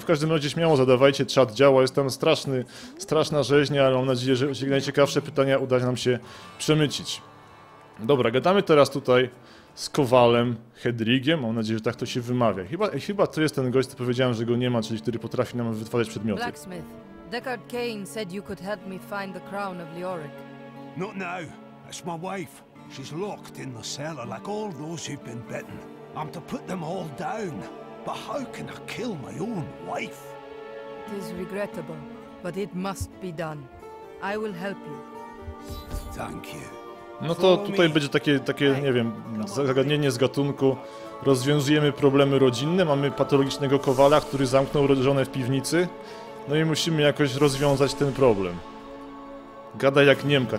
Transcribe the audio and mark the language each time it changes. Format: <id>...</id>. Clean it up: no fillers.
<pl>W każdym razie śmiało zadawajcie, czat działa, jest tam straszna rzeźnia, ale mam nadzieję, że najciekawsze pytania uda nam się przemycić. Dobra, gadamy teraz tutaj z Kowalem Hedrigiem, mam nadzieję, że tak to się wymawia. Chyba to jest ten gość, co powiedziałem, że go nie ma, czyli który potrafi nam wytwarzać przedmioty.</pl> <en>Blacksmith, Deckard Cain said you could help me find the crown of Leoric. Not now, it's my wife. She's locked in the cellar like all those who've been bitten. I'm to put them all down, but how can I kill my own wife? It is regrettable, but it must be done. I will help you. Thank you.</en> <pl>No to tutaj będzie takie, nie wiem, zagadnienie z gatunku. Rozwiązujemy problemy rodzinne, mamy patologicznego kowala, który zamknął żonę w piwnicy. No i musimy jakoś rozwiązać ten problem. Gada jak Niemka.</pl>